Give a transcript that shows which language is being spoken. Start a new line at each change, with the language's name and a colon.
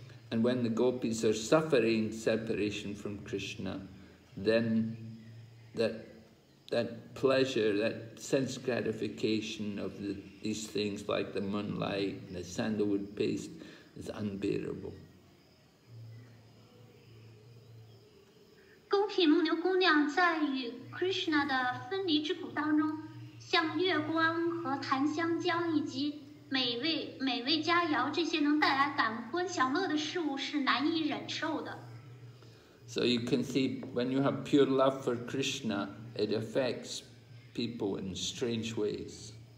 English: And when the gopis are suffering separation from Krishna, then that pleasure, that sense gratification of these things like the moonlight and the sandalwood paste is unbearable.
Chinese: 公毗牟牛姑娘在与 Krishna 的分离之苦当中, 像月光和檀香浆以及美味佳肴这些能带来感官享乐的事物是难以忍受的。
English: So you can see, when you have pure love for Krishna, it affects people in strange ways.